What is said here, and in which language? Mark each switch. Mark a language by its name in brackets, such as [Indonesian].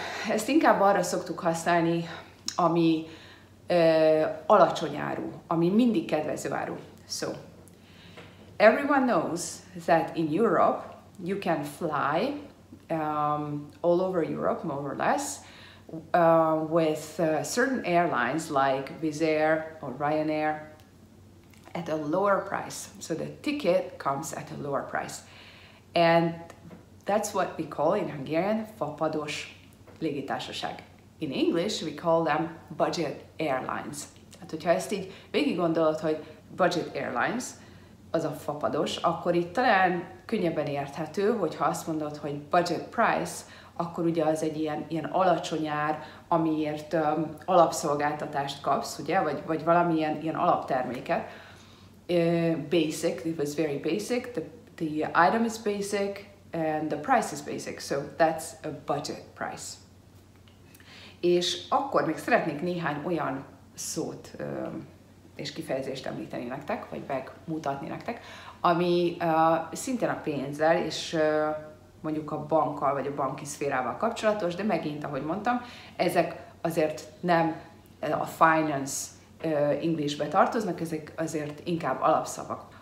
[Hungarian] Ezt inkább arra szoktuk használni, ami alacsony áru, ami mindig kedvező áru. [English] So, everyone knows that in Europe, you can fly all over Europe, more or less, with certain airlines like Wizz Air or Ryanair at a lower price. So the ticket comes at a lower price. And that's what we call in Hungarian, [Hungarian] fapados légitársaság. [English] In English, we call them budget airlines. [Hungarian] Hát, hogyha ezt így végig gondolod, hogy budget airlines, az a fapados, akkor itt talán könnyebben érthető, hogyha azt mondod, hogy budget price, akkor ugye az egy ilyen alacsony ár, amiért alapszolgáltatást kapsz, ugye, vagy valamilyen ilyen alapterméket. [English] Basic, it was very basic, the item is basic, and the price is basic, so that's a budget price. [Hungarian] És akkor még szeretnék néhány olyan szót és kifejezést említeni nektek, vagy megmutatni nektek, ami szintén a pénzzel és mondjuk a bankkal vagy a banki szférával kapcsolatos, de megint, ahogy mondtam, ezek azért nem a finance Englishbe tartoznak, ezek azért inkább alapszavak.